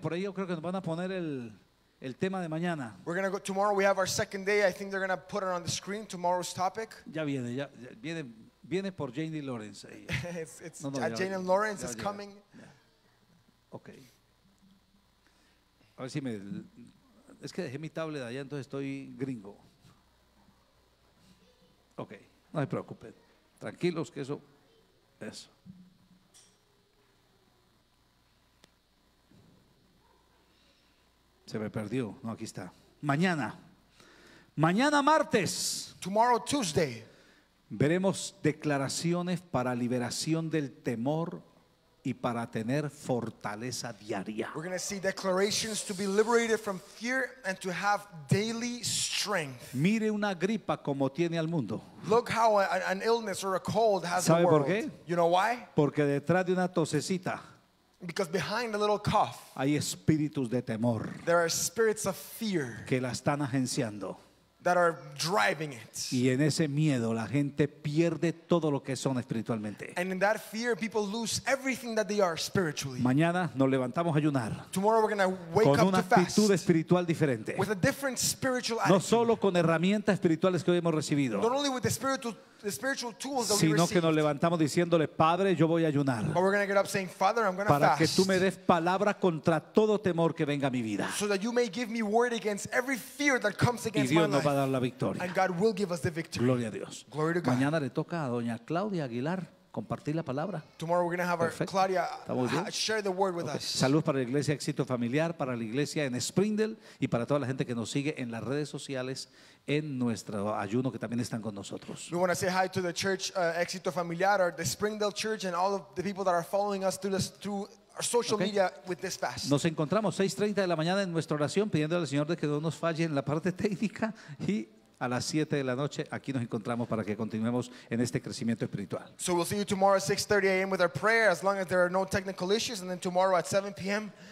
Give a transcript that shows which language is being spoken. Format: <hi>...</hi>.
<es>Por ahí yo creo que nos van a poner el tema de mañana.</es> <en>We're gonna go tomorrow. We have our second day. I think they're gonna put it on the screen tomorrow's topic.</en> <es>Ya viene por Jane y Lawrence.</es> <en>Jane and Lawrence is coming. Okay.</en> <es>A ver si me es que dejé mi tablet allá, entonces estoy gringo. Ok, no se preocupen. Tranquilos que eso. Se me perdió. No, aquí está. Mañana. Mañana martes.</es> <en>Tomorrow Tuesday.</en> <es>Veremos declaraciones para liberación del temor y para tener fortaleza diaria.</es> <en>We're going to see declarations to be liberated from fear and to have daily strength.</en> <es>Mire una gripa como tiene al mundo.</es> <en>Look how an illness or a cold has</en> <es>¿sabe</es> <en>the world.</en> <es>Por qué?</es> <en>You know why?</en> <es>Porque detrás de una tosecita.</es> <en>Because behind a little cough.</en> <es>Hay espíritus de temor.</es> <en>There are spirits of fear.</en> <es>Que la están agenciando.</es> <en>That are driving it.</en> <es>Y en ese miedo la gente pierde todo lo que son espiritualmente.</es> <en>And in that fear people lose everything that they are spiritually.</en> <es>Mañana nos levantamos a ayunar.</es> <en>Tomorrow we're going to wake up to fast.</en> <es>Con una actitud espiritual diferente.</es> <en>With a different spiritual attitude.</en> <es>No solo con herramientas espirituales que hoy hemos recibido.</es> <en>Not only with the spiritual tools that we received.</en> <es>Sino que nos levantamos diciéndole, Padre, yo voy a ayunar.</es> <en>But we're going to get up saying, Father, I'm going to fast.</en> <es>Para que tú me des palabra contra todo temor que venga a mi vida.</es> <en>So that you may give me word against every fear that comes against my life.</en> <es>Va a dar la victoria.</es> <en>And God will give us the victory.</en> <es>Gloria a Dios.</es> <en>Glory to God.</en> <es>Mañana le toca a doña Claudia Aguilar compartir la palabra.</es> <en>Tomorrow we're going to have</en> <es>perfecto.</es> <en>Our Claudia share the word with okay. us.</en> <es>Saludos para la iglesia Éxito Familiar, para la iglesia en Springdale y para toda la gente que nos sigue en las redes sociales en nuestro ayuno que también están con nosotros.</es> <en>We want to say hi to the church Éxito Familiar or the Springdale Church and all of the people that are following us through our social okay. media with this fast.</en> <es>Nos encontramos 6:30 de la mañana en nuestra oración pidiendo al Señor de que no nos falle en la parte técnica y a las 7 de la noche aquí nos encontramos para que continuemos en este crecimiento espiritual.</es> <en>So we'll see you tomorrow at 6:30 a.m. with our prayer as long as there are no technical issues and then tomorrow at 7 p.m.</en>